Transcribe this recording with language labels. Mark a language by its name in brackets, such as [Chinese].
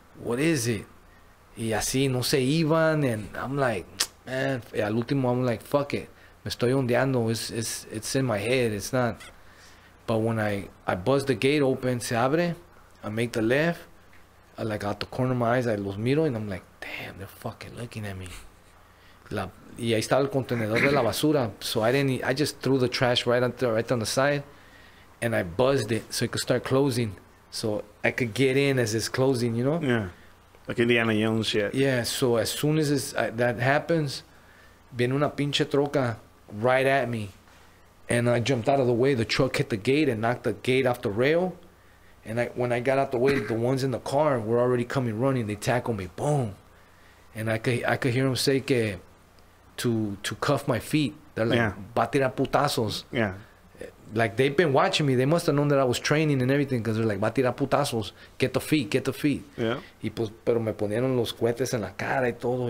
[English] What is it? [Spanish] Y así, no se iban. [English] And I'm like, man, [Spanish] al último, [English] I'm like, fuck it. [Spanish] Me estoy ondeando. [English] It's in my head. It's not. But when I buzz the gate open, [Spanish] se abre. [English] I make the left, I like out the corner of my eyes, I [Spanish] los miro, [English] and I'm like, damn, they're fucking looking at me. [Spanish] Y ahí estaba el contenedor de la basura. [English] So I just threw the trash right on the side, and I buzzed it so it could start closing. So I could get in as it's closing, you know? Yeah, like Indiana Jones shit. Yeah, so as soon as that happens, [Spanish] viene una pinche troca [English] right at me. And I jumped out of the way, the truck hit the gate and knocked the gate off the rail. And when I got out the way, the ones in the car were already coming running. They tackled me, boom. And I could hear them say que to cuff my feet. They're like, [Spanish] va a tirar putazos. [English] Yeah. Like they've been watching me. They must have known that I was training and everything, because they're like, [Spanish] va a tirar putazos. [English] Get the feet. Yeah. [Spanish] Y pues, pero me ponieron los cohetes en la cara y todo.